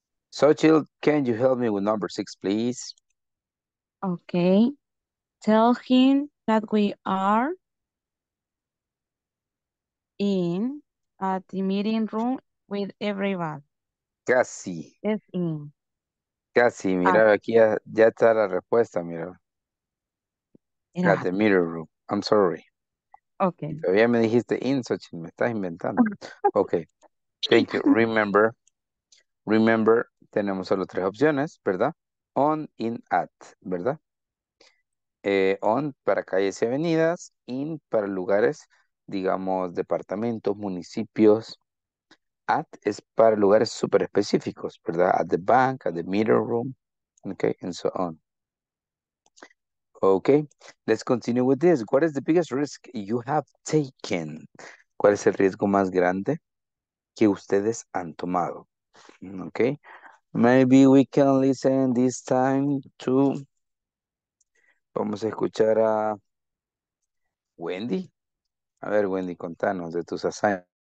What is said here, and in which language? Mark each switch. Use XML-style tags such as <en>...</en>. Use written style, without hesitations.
<en>So, Chil, can you help me with number six, please? Okay. Tell him that we are in at the meeting room with everyone.</en> <es>Casi. Es in. Casi, mira, aquí ya está la respuesta, mira.</es> <en>Yeah. At the meeting room. I'm sorry. Okay.</en> <es>Todavía me dijiste in, Xochitl, me estás inventando.</es> <en>Okay. Thank you. Remember, remember,</en> <es>tenemos solo tres opciones, ¿verdad? On, in, at, ¿verdad? On para calles y avenidas, in para lugares, digamos, departamentos, municipios. At es para lugares súper específicos, ¿verdad?</es> <en>At the bank, at the meter room, okay, and so on. Okay, let's continue with this. What is the biggest risk you have taken?</en> <es>¿Cuál es el riesgo más grande que ustedes han tomado?</es> <en>Okay, maybe we can listen this time to...</en> <es>Vamos a escuchar a Wendy. A ver, Wendy, contanos de tus assignments.</es>